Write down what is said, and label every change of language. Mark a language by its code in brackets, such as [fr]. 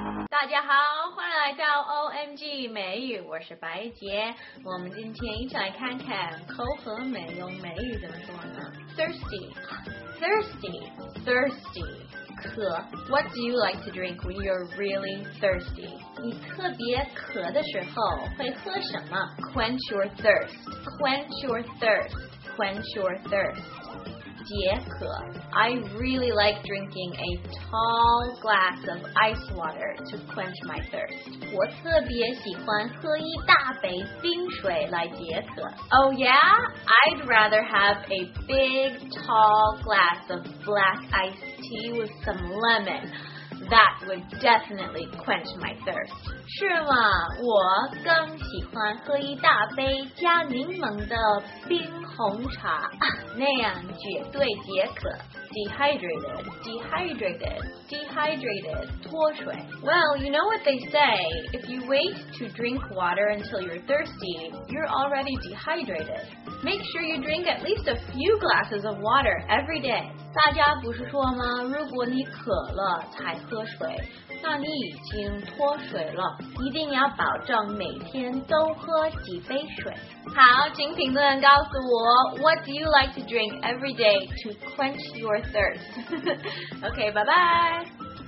[zh] 大家好，欢迎来到 OMG 美语，我是白杰。我们今天一起来看看口和美用美语怎么说呢？ [en] Thirsty, thirsty, thirsty. [zh] 渴 [en] What do you like to drink when you're really thirsty? [zh] 你特别渴的时候会喝什么？ [en] Quench your thirst. Quench your thirst. Quench your thirst. [zh] 解渴 [en] I really like drinking a tall glass of ice water to quench my thirst. [zh] 我特别喜欢喝一大杯冰水来解渴。 [en] Oh yeah? I'd rather have a big tall glass of black ice water. Tea with some lemon. That would definitely quench my thirst. [zh] 是吗？我更喜欢喝一大杯加柠檬的冰红茶，那样绝对解渴。 [en] Dehydrated, dehydrated, dehydrated. [zh] 脱水。 [en] Well, you know what they say. If you wait to drink water until you're thirsty, you're already dehydrated. Make sure you drink at least a few glasses of water every day. [zh] 大家不是说吗？如果你渴了才喝水，那你已经脱水了。一定要保证每天都喝几杯水。好，请评论告诉我 [en] ，What do you like to drink every day to quench your thirst? okay, bye bye.